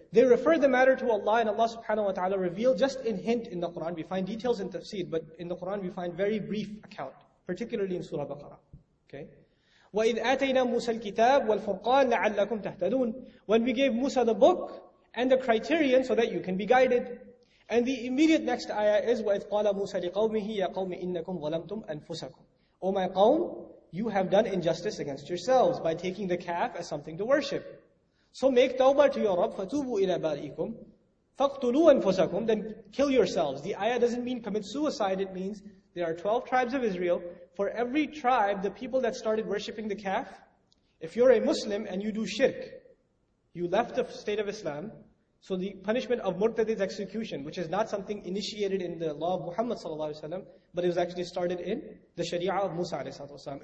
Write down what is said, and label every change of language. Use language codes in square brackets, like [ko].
[en] They refer the matter to Allah, and Allah subhanahu wa ta'ala revealed just in hint in the Quran. We find details in tafsir, but in the Quran we find very brief account, particularly in Surah Baqarah. Okay? [ar] وَإِذْ آتَيْنَا مُوسَى الْكِتَابَ وَالْفُرْقَانَ لَعَلَّكُمْ تَهْتَدُونَ. [en] When we gave Musa the book and the criterion so that you can be guided. And the immediate next ayah is, [ar] وَإِذْ قَالَ مُوسَى لِقَوْمِهِ يَا قَوْمِ إِنَّكُمْ ظَلَمْتُمْ أَنفُسَكُمْ. [en] O my قوم, you have done injustice against yourselves by taking the calf as something to worship. So make tawbah to your Rabb, [ar] فَتُوبُوا إِلَى بَارِئِكُمْ فَاقْتُلُوا أَنفُسَكُمْ. [en] Then kill yourselves. The ayah doesn't mean commit suicide, it means there are 12 tribes of Israel. for every tribe, the people that started worshipping the calf, if you're a Muslim and you do shirk, you left the state of Islam, so the punishment of murtad is execution, which is not something initiated in the law of Muhammad sallallahu alayhi wa sallam, but it was actually started in the sharia of Musa alayhi wa sallam.